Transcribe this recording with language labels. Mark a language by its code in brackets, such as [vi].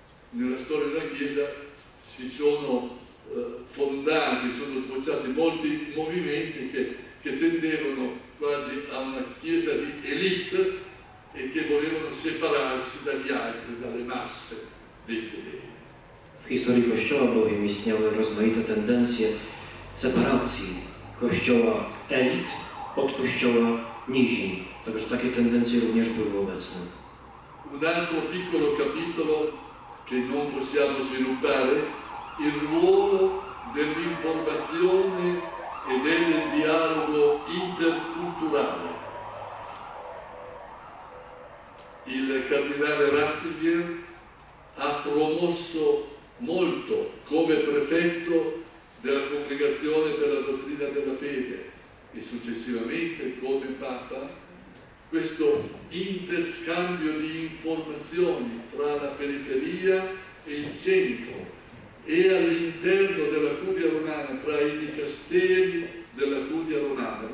[it] Nella storia della Chiesa si sono fondati, sono sbocciati molti movimenti che tendevano quasi a una Chiesa di élite e che volevano separarsi dagli altri, dalle masse dei fedeli. [pl] W historii Kościoła bowiem istniały rozmaite tendencje separacji Kościoła elit od Kościoła nizin. Także takie tendencje również były obecne. [it] Un altro piccolo capitolo che non possiamo sviluppare, il ruolo dell'informazione e del dialogo interculturale. Il cardinale Ratzinger ha promosso molto come prefetto della Congregazione per la Dottrina della Fede e successivamente come Papa questo interscambio di informazioni tra la periferia e il centro e all'interno della Curia Romana, tra i dicasteri della Curia Romana.